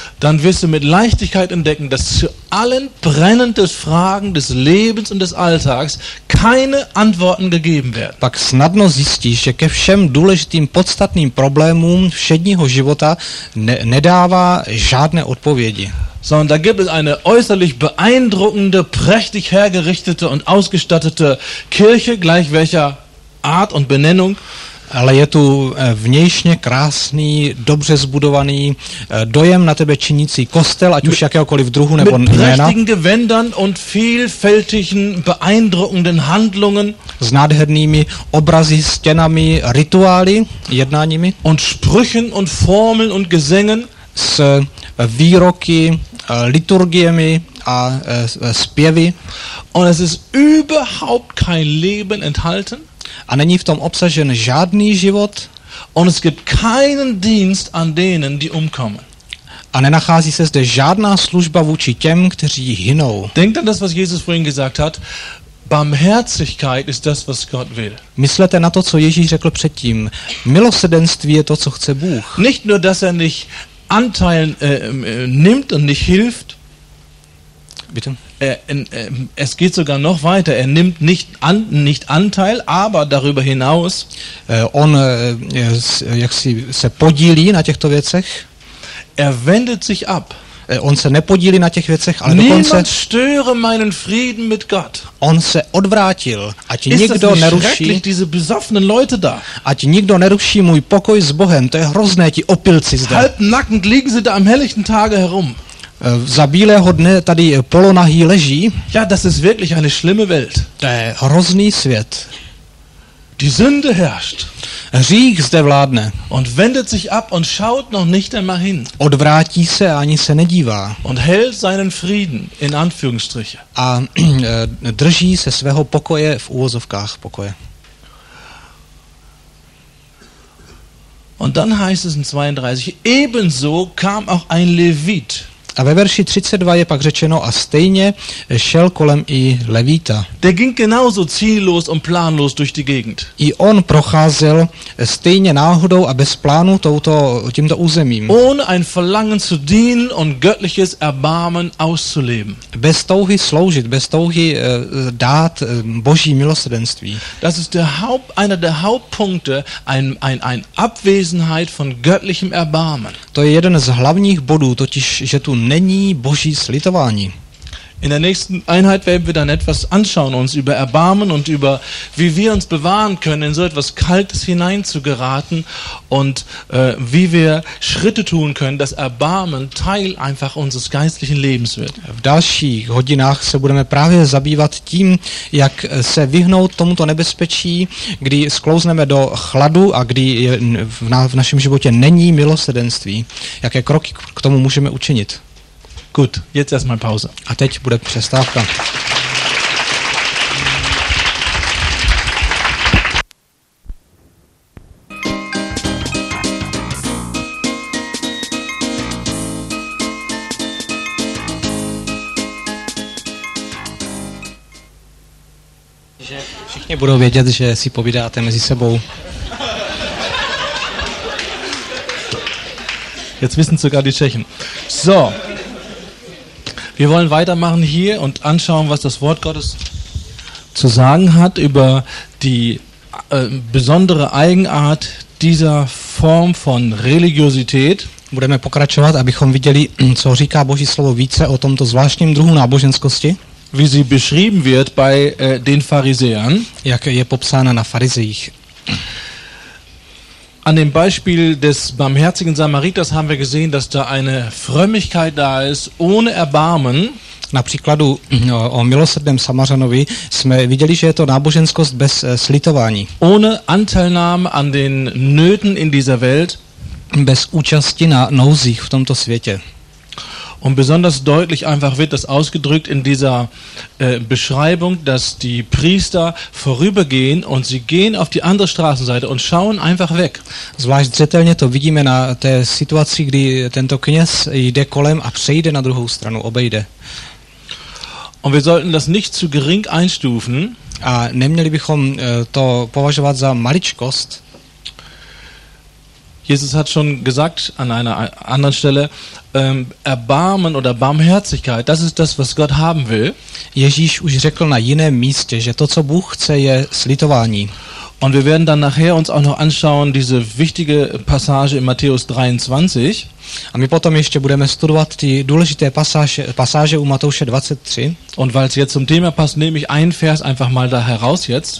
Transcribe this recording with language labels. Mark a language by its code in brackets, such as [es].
[de] dann wirst du mit Leichtigkeit entdecken, dass zu allen brennenden Fragen des Lebens und des Alltags keine Antworten gegeben werden. [cs] Pak snadno zjistíš, že ke všem důležitým podstatným problémům všedního života nedává žádné odpovědi. [de] Sondern da gibt es eine äußerlich beeindruckende, prächtig hergerichtete und ausgestattete Kirche, gleich welcher Art und Benennung. [cs] Ale je tu vnějšně krásný, dobře zbudovaný dojem na tebe činící kostel, ať už jakéhokoliv druhu nebo jména. [de] Mit prächtigen Gewändern und vielfältigen, beeindruckenden Handlungen. [cs] S nádhernými obrazy, stěnami, rituály, jednáními. [de] Und Sprüchen und Formeln und Gesängen. [cs] S výroky, liturgiemi a zpěvy. [de] Und es ist überhaupt kein Leben enthalten. [cs] A není v tom obsažen žádný život. [de] Und es gibt keinen Dienst an denen, die umkommen. [cs] A nenachází se zde žádná služba vůči těm, kteří hynou. [de] Denkt an das, was Jesus vorhin gesagt hat. Barmherzigkeit ist das, was Gott will. [cs] Myslete na to, co Ježíš řekl předtím. Milosrdenství je to, co chce Bůh. [de] Nicht nur, dass er nicht Anteilen nimmt und nicht hilft. Bitte. Es geht sogar noch weiter. Er nimmt nicht Anteil, aber darüber hinaus. [cs] On jaksi se podílí na těchto věcech. [de] Er wendet sich ab. [cs] On se nepodílí na těch věcech, ale dokonce. [de] Niemand störe meinen Frieden mit Gott. [cs] On se odvrátil, ať nikdo neruší. [de] Diese besoffenen Leute da. [cs] Ať nikdo neruší můj pokoj s Bohem. To je hrozné, ti opilci zde. [de] Halbnackend liegen sie da am helllichten Tage herum. [cs] Za bílého dne tady polonahý leží. [de] Ja, das ist wirklich eine schlimme Welt. [cs] To je hrozný svět. [de] Die Sünde herrscht. [cs] Hřích zde vládne. [de] Und wendet sich ab und schaut noch nicht einmal hin. [cs] Odvrátí se a ani se nedívá. [de] Und hält seinen Frieden in Anführungsstriche. [cs] A drží se svého pokoje v úvozovkách pokoje. [de] Und dann heißt es in 32, ebenso kam auch ein Levit. [cs] A ve verši 32 je pak řečeno, a stejně šel kolem i Levita. [de] Der ging genauso ziellos und planlos durch die Gegend. [cs] I on procházel stejně náhodou a bez plánu tímto územím. [de] Ohne ein Verlangen zu dienen und göttliches Erbarmen auszuleben. [cs] Bez touhy sloužit, bez touhy dát Boží milosrdenství. [de] Das ist einer der Hauptpunkte, ein Abwesenheit von göttlichem Erbarmen. [cs] To je jeden z hlavních bodů, totiž že tu není Boží slitování. [de] In der nächsten Einheit werden wir dann etwas anschauen uns über Erbarmen und über wie wir uns bewahren können in so etwas Kaltes hineinzugeraten und wie wir Schritte tun können, dass Erbarmen Teil einfach unseres geistlichen Lebens wird. [cs] V dalších hodinách se budeme právě zabývat tím, jak se vyhnout tomuto nebezpečí, kdy sklouzneme do chladu a kdy je v našem životě není milosrdenství, jaké kroky k tomu můžeme učinit. [de] Gut, jetzt erstmal Pause. [cs] A teď bude přestávka. Všichni budou vědět, že si povídáte mezi sebou. [de] Jetzt wissen sogar die Tschechen. So. Wir wollen weitermachen hier und anschauen, was das Wort Gottes zu sagen hat über die besondere Eigenart dieser Form von Religiosität. [cs] Budeme pokračovat, abychom viděli, co říká Boží slovo více o tomto zvláštním druhu náboženskosti. [de] Wie sie beschrieben wird bei den Pharisäern. [cs] Jak je popsána na farizeích. [de] An dem Beispiel des barmherzigen Samariters haben wir gesehen, dass da eine Frömmigkeit da ist ohne Erbarmen. [cs] Na příkladu o milosrdném Samařanovi jsme viděli, že je to náboženskost bez slitování. [de] Ohne Anteilnahme an den Nöten in dieser Welt. [cs] Bez účasti na nouzích v tomto světě. [de] Und besonders deutlich einfach wird das ausgedrückt in dieser Beschreibung, dass die Priester vorübergehen und sie gehen auf die andere Straßenseite und schauen einfach weg. [cs] Zvlášť zřetelně to vidíme na té situaci, kdy tento kněz jde kolem a přejde na druhou stranu, obejde. [de] Und wir sollten das nicht zu gering einstufen. [cs] A neměli bychom to považovat za maličkost. [de] Jesus hat schon gesagt an einer anderen Stelle, Erbarmen oder Barmherzigkeit, das ist das, was Gott haben will. [cs] Ježíš už řekl na jiném místě, že to, co Bůh chce, je slitování. [de] Und wir werden dann nachher uns auch noch anschauen, diese wichtige Passage in Matthäus 23. [cs] A my potom ještě budeme studovat ty důležité pasáže u Matouše 23. [de] Und weil es jetzt zum Thema passt, nehme ich einen Vers einfach mal da heraus jetzt.